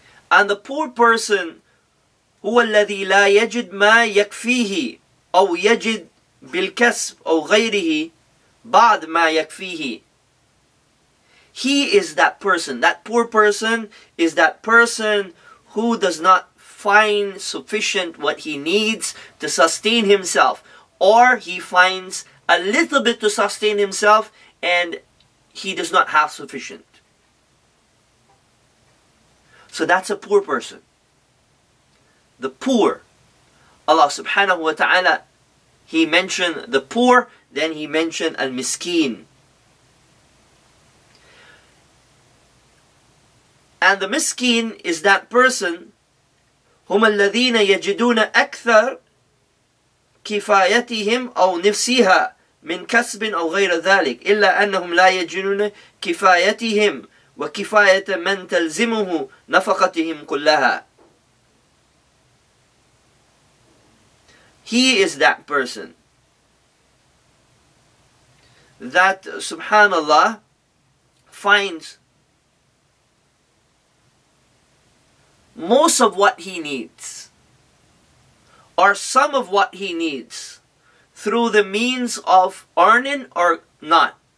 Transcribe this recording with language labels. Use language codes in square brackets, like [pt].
[en] And the poor person, [ar] هو الذي لا يجد ما يكفيه أو يجد بالكسب أو غيره بعد ما يكفيه. [en] He is that person. That poor person is that person who does not find sufficient what he needs to sustain himself. Or he finds a little bit to sustain himself and he does not have sufficient. So that's a poor person. The poor. Allah subhanahu wa ta'ala, He mentioned the poor, then He mentioned al-miskeen. And the miskeen is that person, [ar] هُمَ الَّذِينَ يَجِدُونَ أَكْثَرْ كِفَايَتِهِمْ أَوْ نِفْسِهَا مِنْ كَسْبٍ أَوْ غَيْرَ ذَلِكَ إِلَّا أَنَّهُمْ لَا يَجِدُونَ كِفَايَتِهِمْ وَكِفَايَةَ مَنْ تَلْزِمُهُ نَفَقَتِهِمْ كُلَّهَا. [en] He is that person that, subhanAllah, finds most of what he needs, or some of what he needs, through the means of earning or not.